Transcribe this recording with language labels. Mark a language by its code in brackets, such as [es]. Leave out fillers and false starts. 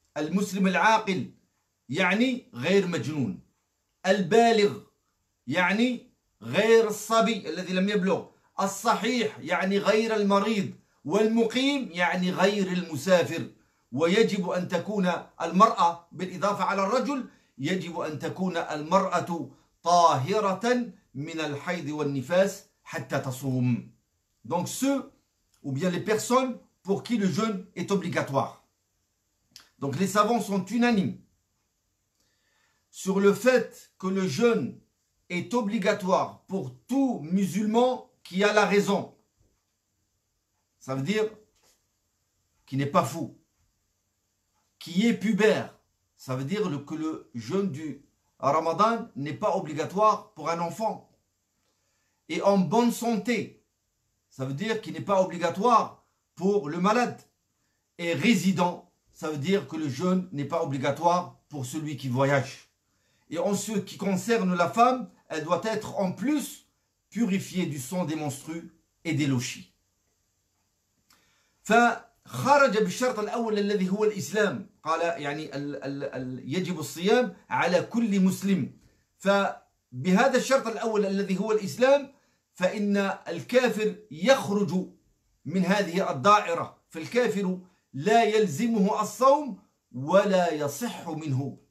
[ar] المسلم العاقل يعني غير مجنون، البالغ يعني غير الصبي الذي لم يبلغ، الصحيح يعني غير المريض، والمقيم يعني غير المسافر. ويجب أن تكون المرأة بالإضافة على الرجل، يجب أن تكون المرأة طاهرة من الحيض والنفاس حتى تصوم. [fr] Donc ceux ou bien les personnes pour qui le jeûne est obligatoire. Donc les savants sont unanimes sur le fait que le jeûne est obligatoire pour tout musulman qui a la raison. Ça veut dire qui n'est pas fou. Qui est pubère, ça veut dire que le jeûne du Ramadan n'est pas obligatoire pour un enfant. Et en bonne santé, ça veut dire qu'il n'est pas obligatoire pour le malade. Et résident, ça veut dire que le jeûne n'est pas obligatoire pour celui qui voyage. Et en ce qui concerne la femme, elle doit être en plus purifiée du sang des menstrues et des lochis. [ar] Enfin, خرج بالشرط الأول الذي هو الإسلام، قال يعني يجب الصيام على كل مسلم، فبهذا الشرط الأول الذي هو الإسلام فإن الكافر يخرج من هذه الدائرة، فالكافر لا يلزمه الصوم ولا يصح منه،